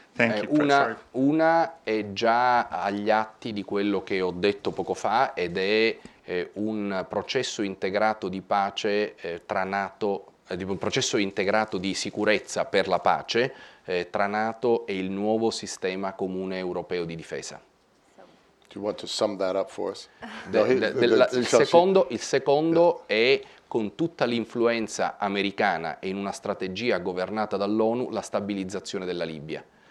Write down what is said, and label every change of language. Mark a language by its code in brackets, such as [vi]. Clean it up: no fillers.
[en] Thank you, [it] una è già agli atti di quello che ho detto poco fa ed è un processo integrato di pace tra NATO, un processo integrato di sicurezza per la pace tra NATO e il nuovo sistema comune europeo di difesa. [en] Do you want to sum that up for us? [it] Il secondo è con tutta l'influenza americana e in una strategia governata dall'ONU la stabilizzazione della Libia.